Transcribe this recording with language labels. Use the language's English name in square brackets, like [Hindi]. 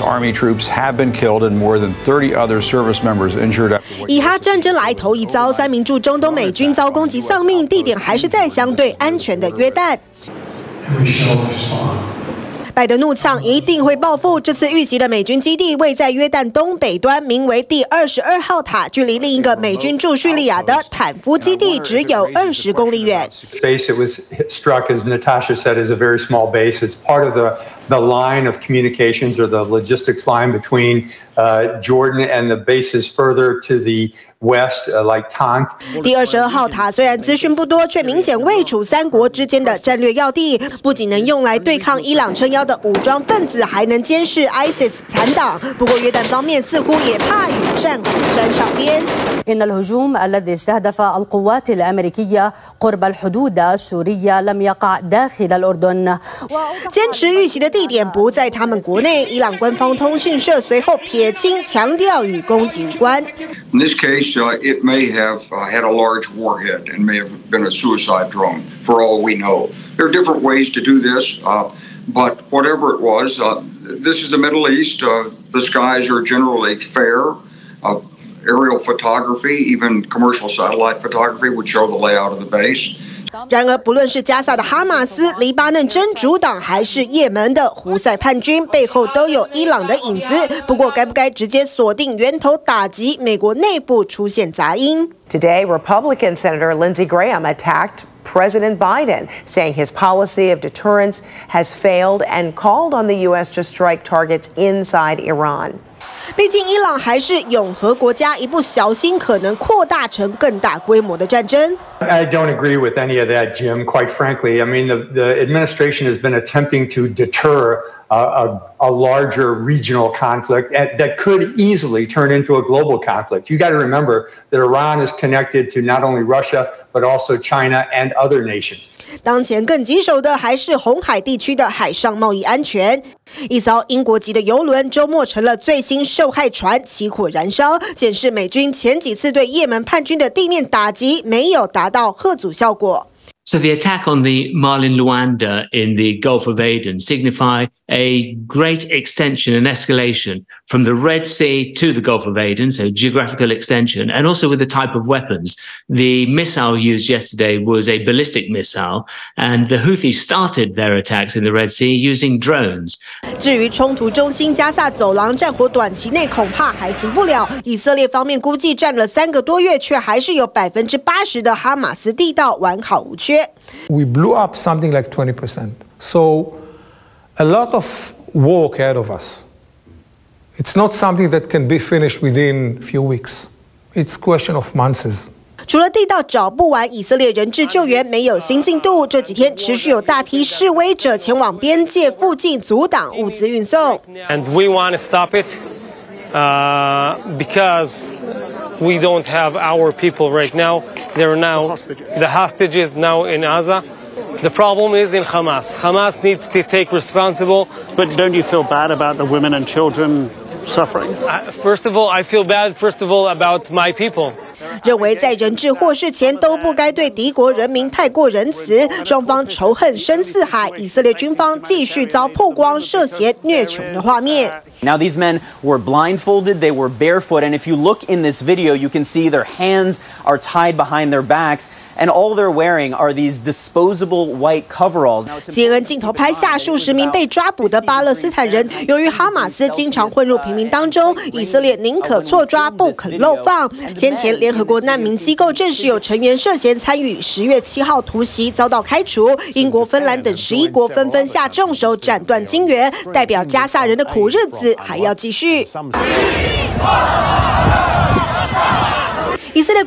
[English] Army troops have been killed and more than 30 other service members injured. [Chinese] 以哈战争来头一遭，三名驻中东美军遭攻击丧命，地点还是在相对安全的约旦。拜登怒呛一定会报复，这次遇袭的美军基地位在约旦东北端，名为第22号塔，距离另一个美军驻叙利亚的坦夫基地只有20公里远。 [English] Base it was struck, as Natasha said, is a very small base. It's part of the line of communications or the logistics line between Jordan and the bases further to the west, like Tank. [Chinese] 第二十二号塔虽然资讯不多，却明显位处三国之间的战略要地，不仅能用来对抗伊朗撑腰的武装分子，还能监视 ISIS 残党。不过约旦方面似乎也怕与战鼓沾上边。 [Arabic] إن الهجوم الذي استهدف القوات الأمريكية قرب الحدود السورية لم يقع داخل الأردن. [Chinese] 坚持遇袭的地点不在他们国内，伊朗官方通讯社随后撇清，强调与攻击无关。 [English] In this case, it may have had a large warhead and may have been a suicide drone. For all we know, there are different ways to do this. But whatever it was, this is the Middle East. The skies are generally fair. Aerial photography, even commercial satellite photography, would show the layout of the base. [Chinese] 然而，不论是加萨的哈马斯、黎巴嫩真主党，还是也门的胡塞叛军，背后都有伊朗的影子。不过，该不该直接锁定源头打击？美国内部出现杂音。 [English] Today, Republican Senator Lindsey Graham attacked President Biden, saying his policy of deterrence has failed, and called on the U.S. to strike targets inside Iran. [Chinese] 毕竟伊朗还是永和国家，一不小心可能扩大成更大规模的战争。 [English] I don't agree with any of that, Jim, quite frankly. I mean, the administration has been attempting to deter a larger regional conflict that could easily turn into a global conflict. You got to remember that Iran is connected to not only Russia, but also China and other nations. [Chinese] 当前更棘手的还是红海地区的海上贸易安全。一艘英国籍的邮轮周末成了最新受害船，起火燃烧，显示美军前几次对也门叛军的地面打击没有达到吓阻效果。 [English] So the attack on the Marlin Luanda in the Gulf of Aden signify a great extension and escalation from the Red Sea to the Gulf of Aden, so geographical extension, and also with the type of weapons. The missile used yesterday was a ballistic missile, and the Houthis started their attacks in the Red Sea using drones. [Chinese] 至于冲突中心加萨走廊，战火短期内恐怕还停不了。以色列方面估计战了三个多月，却还是有80%的哈马斯地道完好无缺。 [English] We blew up something like 20%. So a lot of work ahead of us. It's not something that can be finished within a few weeks. It's a question of months. [Chinese] 除了地道找不完，以色列人质救援没有新进度。这几天持续有大批示威者前往边界附近阻挡物资运送。 [English] And we want to stop it, because. We don't have our people right now. They're now the hostages now in Gaza. The problem is in Hamas. Hamas needs to take responsible. But don't you feel bad about the women and children suffering? I feel bad about my people. [Chinese] 认为在人质获释前都不该对敌国人民太过仁慈，双方仇恨深似海。以色列军方继续遭曝光涉嫌虐囚的画面。 [English] Now these men were blindfolded, they were barefoot, and if you look in this video, you can see their hands are tied behind their backs, and all they're wearing are these disposable white coveralls. [Chinese] CNN 镜头拍下数十名被抓捕的巴勒斯坦人，由于哈马斯经常混入平民当中，以色列宁可错抓不肯漏放。先前。联合国难民机构证实有成员涉嫌参与10月7号突袭遭到开除，英国、芬兰等11国纷纷下重手斩断金援，代表加萨人的苦日子还要继续。以色列